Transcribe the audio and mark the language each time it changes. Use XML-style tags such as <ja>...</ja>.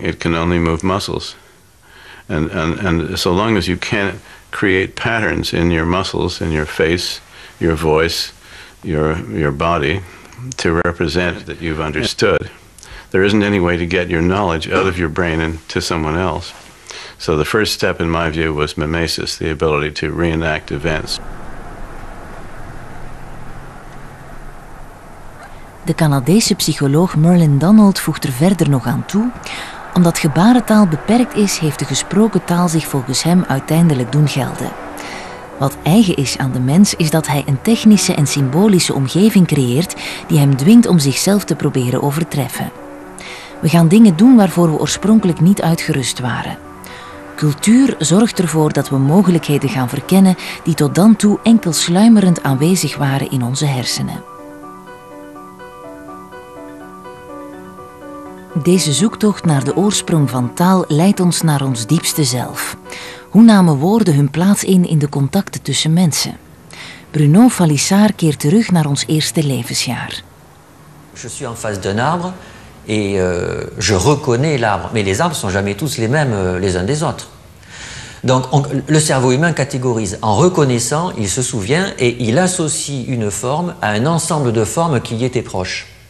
<en>It can only move muscles. And so long as you can't create patterns in your muscles, in your face, your voice, your body, to represent that you've understood, there isn't any way to get your knowledge out of your brain and to someone else. So the first step, in my view, was mimesis, the ability to reenact events.</en> <nl>De Canadese psycholoog Merlin Donald voegt er verder nog aan toe. Omdat gebarentaal beperkt is, heeft de gesproken taal zich volgens hem uiteindelijk doen gelden. Wat eigen is aan de mens, is dat hij een technische en symbolische omgeving creëert die hem dwingt om zichzelf te proberen overtreffen. We gaan dingen doen waarvoor we oorspronkelijk niet uitgerust waren. Cultuur zorgt ervoor dat we mogelijkheden gaan verkennen die tot dan toe enkel sluimerend aanwezig waren in onze hersenen. Deze zoektocht naar de oorsprong van taal leidt ons naar ons diepste zelf. Hoe namen woorden hun plaats in de contacten tussen mensen? Bruno Falissard keert terug naar ons eerste levensjaar.</nl> <fr>Je suis en face d'un arbre et je reconnais l'arbre, mais les arbres sont jamais tous les mêmes les uns des autres. Donc le cerveau humain catégorise en reconnaissant, il se souvient et il associe une forme à un ensemble de formes qui y étaient proches.</fr>